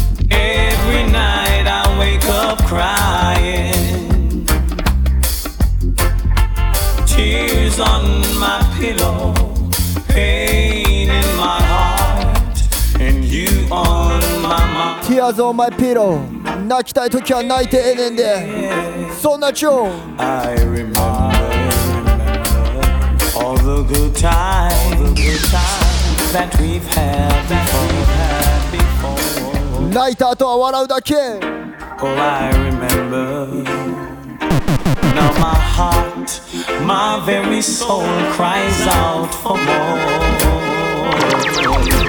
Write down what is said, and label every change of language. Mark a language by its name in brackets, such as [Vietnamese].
[English] Every night I wake up crying. Tears on my pillow, pain in my heart, and you on my mind. Tears on my pillow. [Japanese] 泣きたい時は泣いてええねんで。そんな情。 [English] I remember all the good times that we've had before. [Japanese] 泣いた後は笑うだけ。 [English] Oh, I remember. Now my heart, my very soul cries out for more.